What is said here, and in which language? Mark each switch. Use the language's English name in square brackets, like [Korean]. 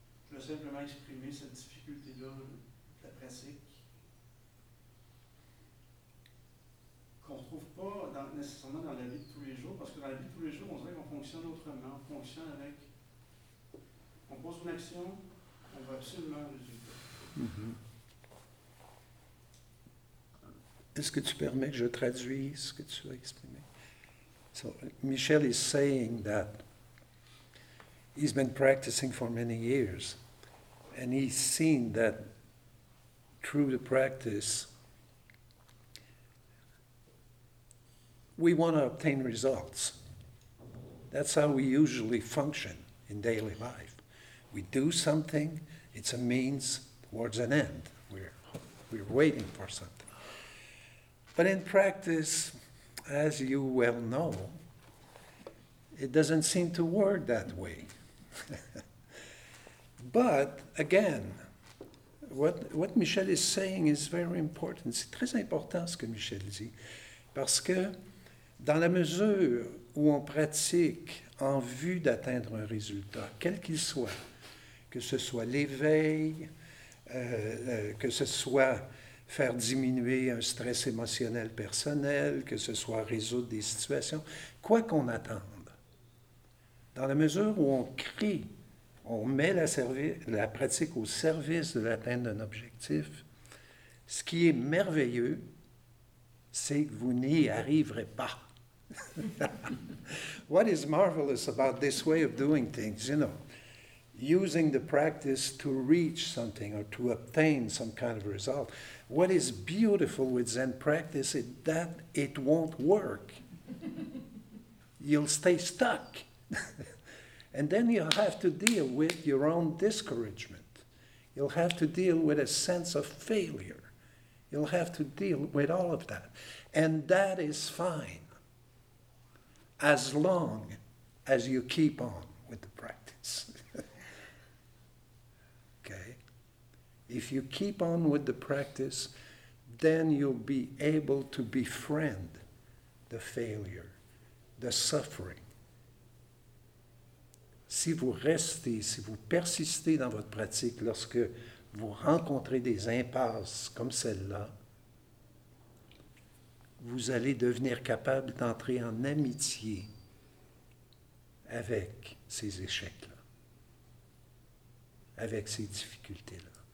[French] Je veux simplement exprimer cette difficulté-là de la pratique qu'on ne trouve pas nécessairement dans la vie de tous les jours, parce que dans la vie de tous les jours, on dirait qu'on fonctionne autrement, on fonctionne avec. On pose une action, on veut absolument un résultat. Est-ce que tu permets que je traduise ce que tu as exprimé? [English] So, Michel is saying that he's been practicing for many years, and he's seen that through the practice, we want to obtain results. That's how we usually function in daily life. We do something, it's a means towards an end. We're waiting for something. But in practice, as you well know, it doesn't seem to work that way. But again, what Michel is saying is very important. [French] C'est très important ce que Michel dit, parce que dans la mesure où on pratique en vue d'atteindre un résultat, quel qu'il soit, que ce soit l'éveil, que ce soit faire diminuer un stress émotionnel personnel, que ce soit résoudre des situations, quoi qu'on attende. Dans la mesure où on crée, on met la pratique au service de l'atteinte d'un objectif, ce qui est merveilleux, c'est que vous n'y arriverez pas. [English] What is marvelous about this way of doing things, you know, using the practice to reach something or to obtain some kind of result. What is beautiful with Zen practice is that it won't work. You'll stay stuck. And then you'll have to deal with your own discouragement. You'll have to deal with a sense of failure. You'll have to deal with all of that. And that is fine as long as you keep on with the practice. Okay. If you keep on with the practice, then you'll be able to befriend the failure, the suffering. [French] Si vous restez, si vous persistez dans votre pratique, lorsque vous rencontrez des impasses comme celle-là, vous allez devenir capable d'entrer en amitié avec ces échecs-là, avec ces difficultés-là.